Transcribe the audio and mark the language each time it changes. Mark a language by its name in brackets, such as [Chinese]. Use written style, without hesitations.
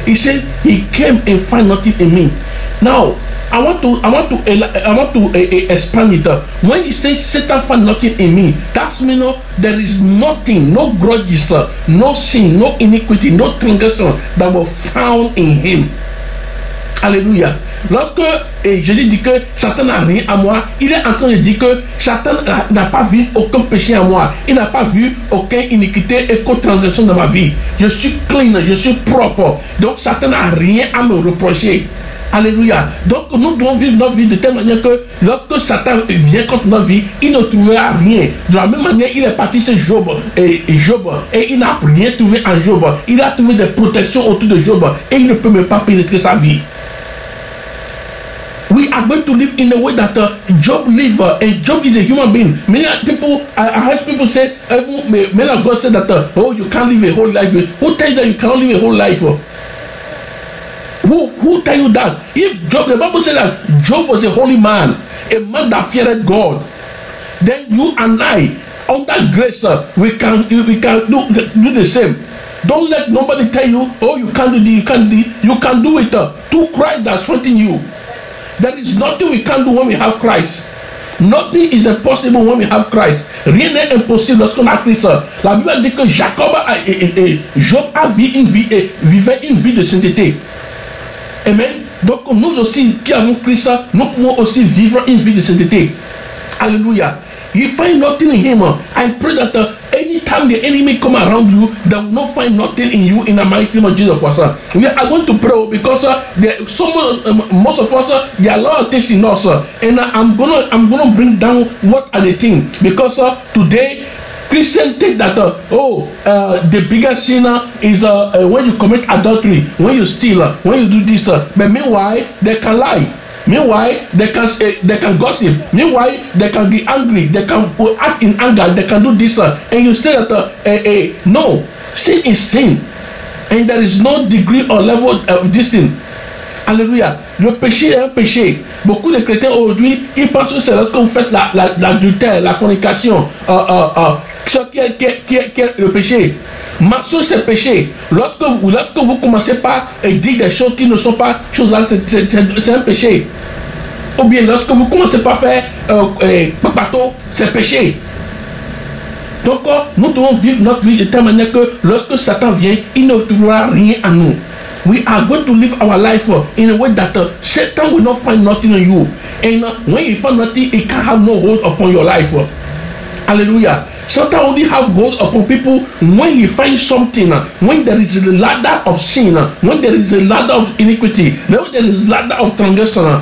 [English] He said, he came and found nothing in me. Now, I want to expand it. When he says Satan found nothing in me, that means there is nothing, no grudges, no sin, no iniquity, no transgression that was found in him. Hallelujah. [French] Lorsque Jésus dit que Satan n'a rien à moi, il est en train de dire que Satan n'a pas vu aucun péché à moi. Il n'a pas vu aucune iniquité et aucune transgression dans ma vie. Je suis clean, je suis propre. Donc Satan n'a rien à me reprocher. Alléluia. Donc nous devons vivre notre vie de telle manière que lorsque Satan vient contre notre vie, il ne trouvera rien. De la même manière, il est parti chez Job et il n'a rien trouvé en Job. Il a trouvé des protections autour de Job et il ne peut même pas pénétrer sa vie. [English] We are going to live in a way that Job lives, and Job is a human being. Many people, I heard people say, many of God said that, you can't live a whole life. Who tells you that you cannot live a whole life? Who tell you that? If Job, the Bible says that Job was a holy man, a man that feared God, then you and I, under grace, we can do the same. Don't let nobody tell you, you can't do this, you can't do this. You can do it through Christ that's strengthening you. There is nothing we can't do when we have Christ. Nothing is impossible when we have Christ. [French] Rien n'est impossible lorsqu'on a Christ. La Bible dit que Jacob Job a vivait une vie de sainteté. Amen. Donc nous aussi qui avons Christ, nous pouvons aussi vivre une vie de sainteté. Alléluia. [English] You find nothing in him. I pray that anytime the enemy come around you, they will not find nothing in you in the mighty name of Jesus Christ. We are going to pray because most of us, there are a lot of things in us. And I'm gonna bring down what are the things. Because today, Christians think that the biggest sin is when you commit adultery, when you steal, when you do this. But meanwhile, they can lie. Meanwhile, they can gossip. Meanwhile, they can be angry. They can act in anger. They can do this. And you say that, no, sin is sin. And there is no degree or level of this sin. [French] Alléluia. Le péché est un péché. Beaucoup de chrétiens aujourd'hui, ils pensent que c'est lorsque vous faites l'adultère, la fornication, ce qui est le péché. Mensonge, c'est péché. Lorsque vous commencez pas à dire des choses qui ne sont pas choses, c'est un péché. Ou bien lorsque vous commencez pas à faire papato, c'est péché. Donc nous devons vivre notre vie de telle manière que lorsque Satan vient, il ne trouvera rien à nous. [English] We are going to live our life in a way that Satan will not find nothing on you. And when he finds nothing, he can have no hold upon your life. Hallelujah. Sometimes only have hold upon people when you find something, when there is a ladder of sin, when there is a ladder of iniquity, when there is a ladder of transgression.